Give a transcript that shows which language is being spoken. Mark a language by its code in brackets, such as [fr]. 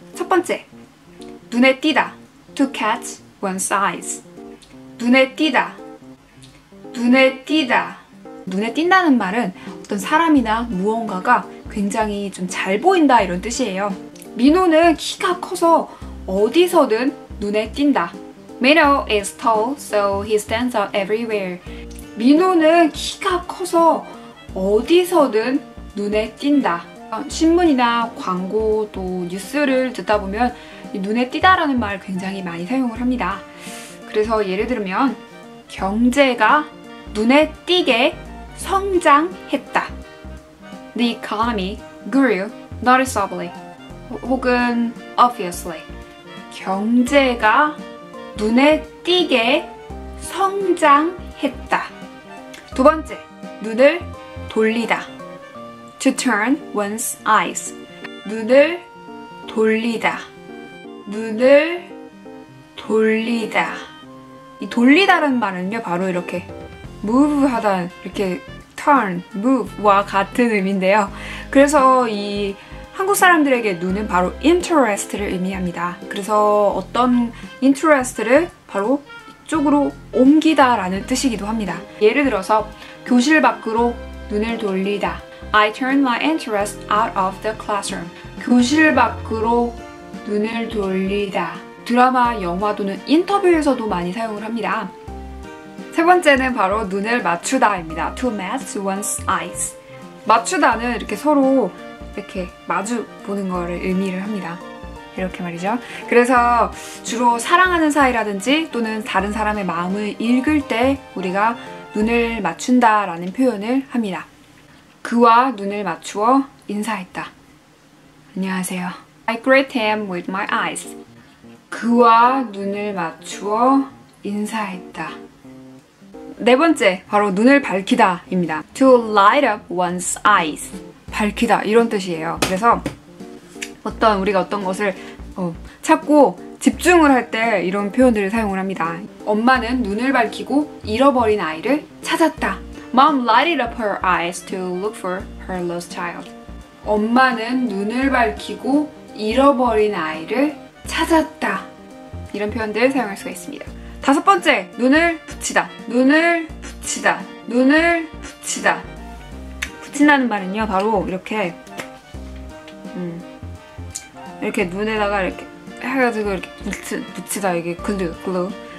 [ko] 첫 번째, 눈에 띄다. [en] To catch one's eyes. [ko] 눈에 띄다. 눈에 띄다. 눈에 띈다는 말은 어떤 사람이나 무언가가 굉장히 좀 잘 보인다 이런 뜻이에요. 민호는 키가 커서 어디서든 눈에 띈다. [en] Minho is tall, so he stands out everywhere. [ko] 민호는 키가 커서 어디서든 눈에 띈다. 신문이나 광고 또 뉴스를 듣다 보면 이 눈에 띄다라는 말 굉장히 많이 사용을 합니다. 그래서 예를 들면 경제가 눈에 띄게 성장했다. [en] The economy grew noticeably. [ko] 혹은 obviously. 경제가 눈에 띄게 성장했다. 두 번째, 눈을 돌리다. [en] To turn one's eyes. [ko] 눈을 돌리다. 눈을 돌리다. 이 돌리다라는 말은요, 바로 이렇게 move 하다, 이렇게 turn, move와 같은 의미인데요. 그래서 이 한국 사람들에게 눈은 바로 interest를 의미합니다. 그래서 어떤 interest를 바로 이쪽으로 옮기다 라는 뜻이기도 합니다. 예를 들어서 교실 밖으로 눈을 돌리다. [en] I turn my interest out of the classroom. [ko] 교실 밖으로 눈을 돌리다. 드라마, 영화 또는 인터뷰에서도 많이 사용을 합니다. 세 번째는 바로 눈을 맞추다입니다. [en] To match one's eyes. [ko] 맞추다는 이렇게 서로 이렇게 마주 보는 거를 의미를 합니다. 이렇게 말이죠. 그래서 주로 사랑하는 사이라든지 또는 다른 사람의 마음을 읽을 때 우리가 눈을 맞춘다라는 표현을 합니다. 그와 눈을 맞추어 인사했다. 안녕하세요. [en] I greet him with my eyes. [ko] 그와 눈을 맞추어 인사했다. 네 번째, 바로 눈을 밝히다 입니다. [en] To light up one's eyes. [ko] 밝히다 이런 뜻이에요. 그래서 어떤 우리가 어떤 것을 찾고 집중을 할 때 이런 표현들을 사용을 합니다. 엄마는 눈을 밝히고 잃어버린 아이를 찾았다. [en] Mom lighted up her eyes to look for her lost child. [ko] 엄마는 눈을 밝히고 잃어버린 아이를 찾았다. 이런 표현들을 사용할 수가 있습니다. 다섯 번째, 눈을 붙이다. 눈을 붙이다. 눈을 붙이다. 붙인다는 말은요, 바로 이렇게 이렇게 눈에다가 이렇게 해가지고 이렇게 붙이다. 이게 글루, 글루.